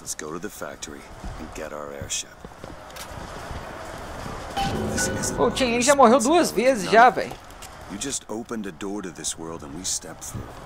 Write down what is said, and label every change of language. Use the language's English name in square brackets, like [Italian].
[English] Let's go to the factory and get our airship. [Portuguese] Oh, Chain-Lin já morreu duas vezes já, velho. [English] You just opened a door to this world and we stepped through.